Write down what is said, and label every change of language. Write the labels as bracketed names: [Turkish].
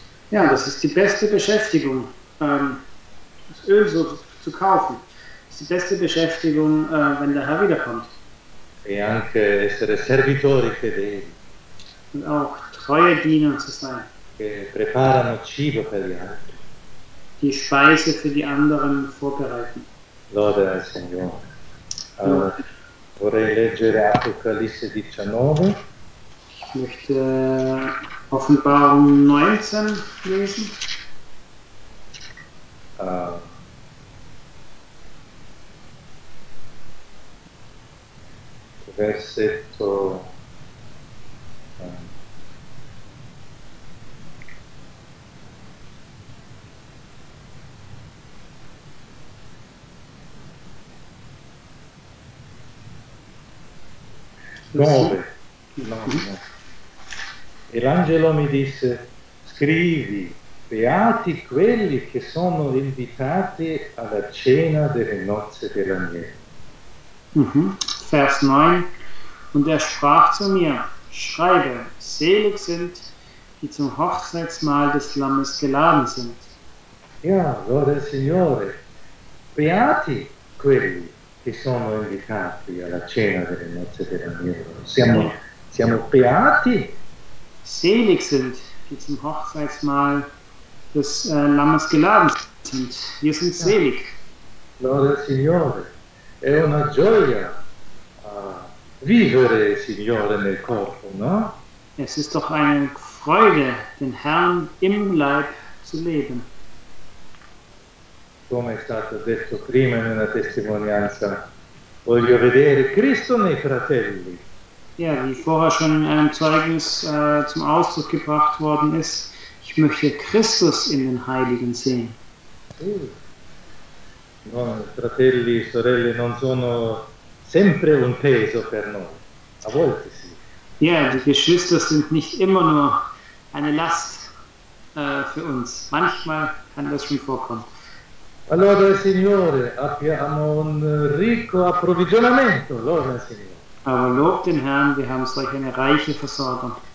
[German] Ja, das ist die beste Beschäftigung, das Öl so zu kaufen. Das ist die beste Beschäftigung, wenn der Herr wiederkommt. [Italian] E anche essere servitori fedeli. [German] Und auch treue Diener zu sein. [Italian] Che preparano cibo per gli altri. [German] Die Speise für die anderen vorbereiten. [Italian] Lode al Signore. Vorrei leggere Apocalisse 19. [German] Ich möchte Offenbarung 19 lesen. [Italian] Versetto 9. E l'angelo mi disse: scrivi, beati quelli che sono invitati alla cena delle nozze dell'agnello. [German] Vers 9. Und er sprach zu mir: schreibe, selig sind, die zum Hochzeitsmahl des Lammes geladen sind. [Italian] Ja, Lord del Signore, beati quelli che sono invitati alla cena delle nozze dell'agnello. Siamo beati. [German] Selig sind, die zum Hochzeitsmahl des Lammes geladen sind. Wir sind selig. Ja. [Italian] Lord del Signore, è una gioia vivere, Signore, nel corpo, no? [German] Es ist doch eine Freude, den Herrn im Leib zu leben. [Italian] Come è stato detto prima in una testimonianza, voglio vedere Cristo nei fratelli. [German] Ja, wie vorher schon in einem Zeugnis zum Ausdruck gebracht worden ist, ich möchte Christus in den Heiligen sehen. [Italian] No, fratelli, sorelle, non sono sempre un peso per noi. A volte sì. [German] Ja, die Geschwister sind nicht immer nur eine Last für uns. Manchmal kann das schon vorkommen. [Italian] Allora, Signore, abbiamo un ricco approvvigionamento, allora, Signore. [German] Aber lob den Herrn, wir haben solch eine reiche Versorgung.